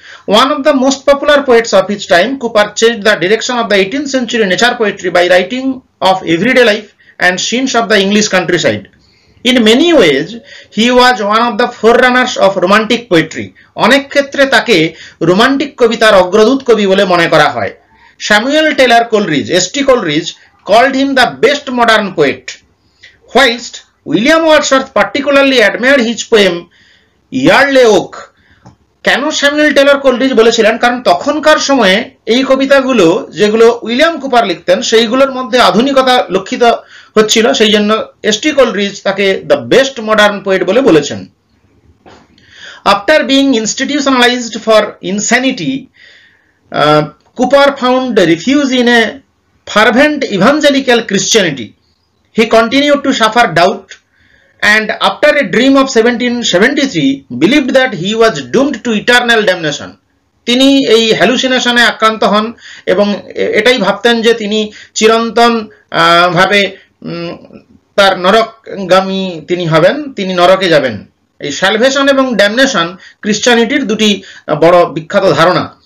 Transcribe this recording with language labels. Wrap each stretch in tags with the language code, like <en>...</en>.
<en>One of the most popular poets of his time, Cowper change the direction of the 18th century nature poetry by writing of everyday life and scenes of the English countryside. In many ways he was one of the forerunners of romantic poetry,</en> <bn>অনেক ক্ষেত্রে তাকে romantic কবিতার অগ্রদূত কবি বলে মনে করা হয়। Samuel teller Coleridge, S T Coleridge,</bn> <en>called him the best modern poet. Whilst William Wordsworth particularly admired his poem Yardley Oak.</en> <bn>কেন স্যামুয়েল টেলর কলরিজ বলেছিলেন, কারণ তখনকার সময়ে এই কবিতাগুলো যেগুলো উইলিয়াম কুপার লিখতেন সেইগুলোর মধ্যে আধুনিকতা লক্ষিত হচ্ছিল, সেই জন্য এসটি কলরিজ তাকে</bn> <en>the best modern poet</en> <bn>বলে বলেছেন।</bn> <en>After being institutionalised for insanity Cowper found refuge in a fervent evangelical Christianity. He continued to suffer doubt and after a dream of 1773 believed that he was doomed to eternal damnation.</en> <bn>তিনি এই হ্যালুসিনেশনে আক্রান্ত হন এবং এটাই ভাবতেন যে তিনি চিরন্তন ভাবে তার নরকগামী তিনি হবেন, তিনি নরকে যাবেন। এই স্যালভেশন এবং ড্যামনেশন ক্রিশ্চিয়ানিটির দুটি বড় বিখ্যাত ধারণা।</bn>